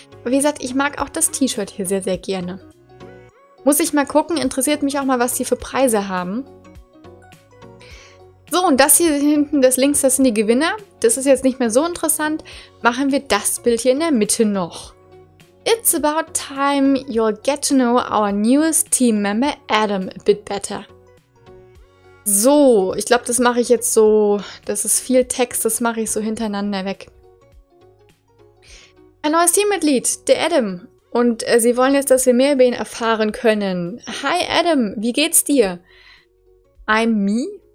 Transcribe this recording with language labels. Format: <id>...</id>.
<de>Aber wie gesagt, ich mag auch das T-Shirt hier sehr, sehr gerne. Muss ich mal gucken. Interessiert mich auch mal, was die für Preise haben. So, und das hier hinten, das links, das sind die Gewinner. Das ist jetzt nicht mehr so interessant. Machen wir das Bild hier in der Mitte noch.</de> <en>It's about time you'll get to know our newest team member Adam a bit better.</en> <de>So, ich glaube, das mache ich jetzt so. Das ist viel Text, das mache ich so hintereinander weg. Ein neues Teammitglied, der Adam. Und sie wollen jetzt, dass wir mehr über ihn erfahren können. Hi Adam, wie geht's dir?</de> <en>I'm me?</en>